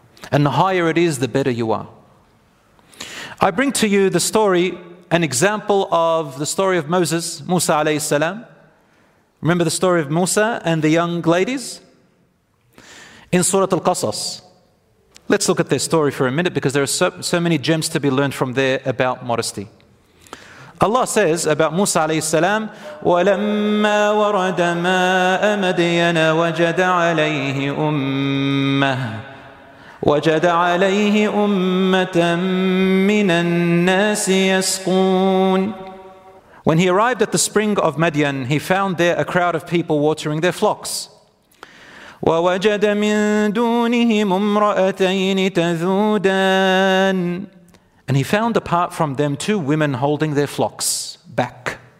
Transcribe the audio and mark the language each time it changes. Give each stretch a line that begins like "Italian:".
English: And the higher it is, the better you are. I bring to you the story, an example of the story of Moses, Musa alayhi salam. Remember the story of Musa and the young ladies? In Surah Al-Qasas. Let's look at their story for a minute because there are so many gems to be learned from there about modesty. Allah says about Musa alayhi salam,
Arabic: وَلَمَّا وَرَدَ مَاءَ مَدْيَنَ وَجَدَ عَلَيْهِ أُمَّهُ وَجَدَ عَلَيْهِ أُمَّةً مِّنَ النَّاسِ يَسْقُونَ.
English: When he arrived at the spring of Madian, he found there a crowd of people watering their flocks.
Arabic: وَوَجَدَ مِن دُونِهِمُ امْرَأَتَيْنِ تَذُودَانِ.
English: And he found apart from them two women holding their flocks back.